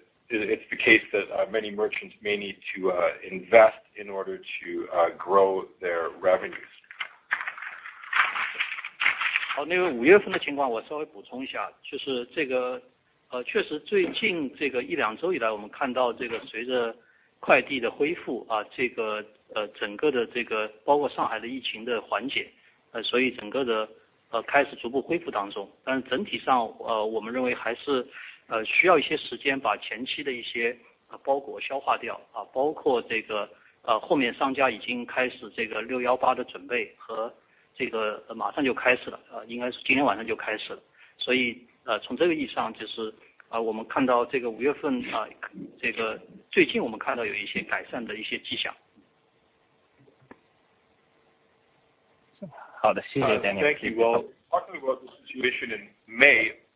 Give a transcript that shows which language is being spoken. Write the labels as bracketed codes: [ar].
[en] It's the case that many merchants may need to invest in order to grow their revenues. [zh] 好，那个五月份的情况我稍微补充一下，就是这个确实最近这个一两周以来，我们看到这个随着快递的恢复啊，这个整个的这个包括上海的疫情的缓解，所以整个的开始逐步恢复当中，但是整体上我们认为还是需要一些时间把前期的一些包裹消化掉啊，包括这个后面商家已经开始这个618的准备和这个马上就开始了啊，应该是今天晚上就开始了，所以从这个意义上就是我们看到这个五月份这个最近我们看到有一些改善的一些迹象。好的，谢谢 Daniel。 [en] Thank you. Well, talking about the situation in May.